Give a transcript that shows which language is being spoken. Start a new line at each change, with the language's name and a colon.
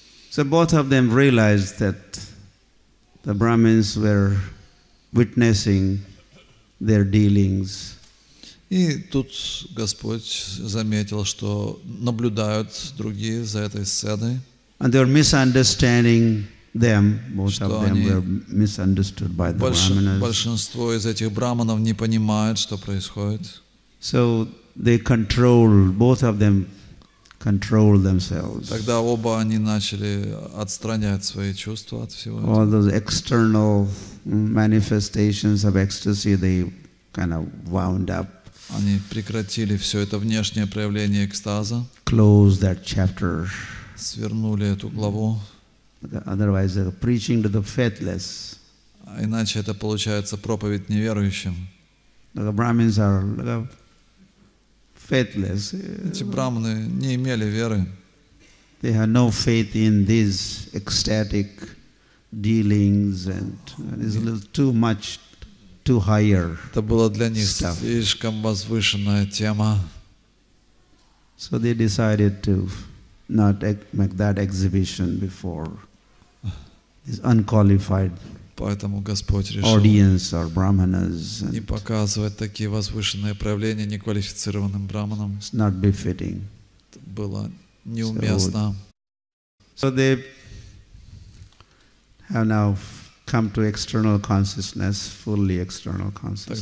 English: So both of them realized that the Brahmins were witnessing their dealings.
Russian: И тут Господь заметил, что наблюдают другие за этой сценой.
English: And they were misunderstanding them. Both of them were misunderstood by the brahmanas.
Russian: Большинство из этих брахманов не понимают, что происходит.
English: So they controlled, both of them controlled themselves.
Russian: Тогда оба они начали отстранять свои чувства от всего этого.
English: All those external manifestations of ecstasy, they kind of wound up.
Russian: Они прекратили все это внешнее проявление экстаза.
English: Closed that chapter.
Russian: Свернули эту главу.
English: Otherwise, they're preaching to the faithless.
Russian: Иначе это получается проповедь неверующим.
English: The Brahmins are like faithless.
Russian: Эти брахманы не имели веры.
English: They had no faith in these ecstatic dealings and it's a little too much, too higher.
Russian: Это было для них слишком возвышенная тема.
English: So they decided to not make that exhibition before this unqualified
Russian: поэтому Господь решил
English: audience or brahmanas and
Russian: не показывать такие возвышенные проявления неквалифицированным брахманам.
English: It's not befitting.
Russian: Это было неуместно.
English: So they have now come to external consciousness, fully external consciousness.